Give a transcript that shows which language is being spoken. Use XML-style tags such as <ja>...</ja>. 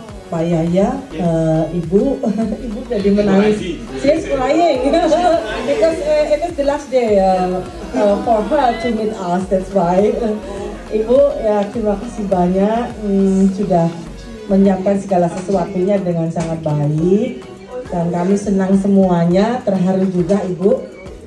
<id>Pak Yaya, Ibu, Ibu jadi menangis.</id> <en>She's crying because it is the last day for her to meet us. That's why,</en> <id>Ibu, ya terima kasih banyak sudah menyiapkan segala sesuatunya dengan sangat baik dan kami senang semuanya, terharu juga, Ibu.</id>